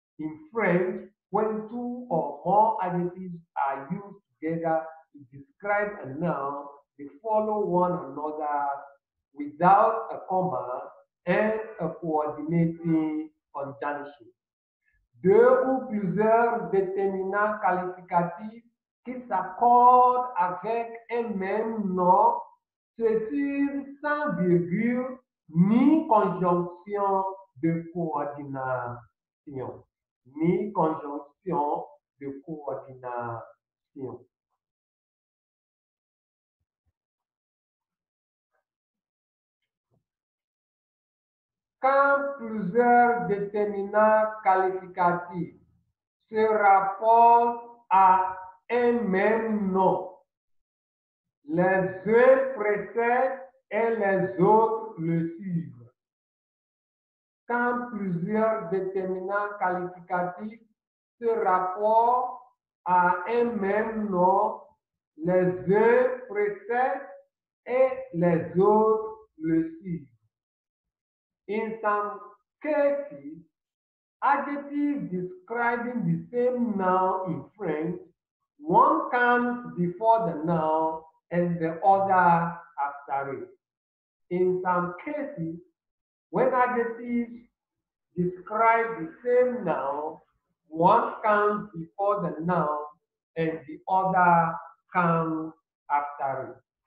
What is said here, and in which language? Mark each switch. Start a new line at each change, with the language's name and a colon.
English: In French, when two or more adjectives are used together to describe a noun, they follow one another without a comma and a coordinating conjunction.
French: Deux ou plusieurs déterminants qualificatifs qui s'accordent avec un même nom se suivent sans virgule ni conjonction de coordination. Ni conjonction de coordination. Quand plusieurs déterminants qualificatifs se rapportent à un même nom, les uns précèdent et les autres le suivent. Quand plusieurs déterminants qualificatifs se rapportent à un même nom, les uns précèdent et les autres le suivent.
English: In some cases, adjectives describing the same noun in French, one comes before the noun and the other after it. In some cases, when adjectives describe the same noun, one comes before the noun and the other comes after it.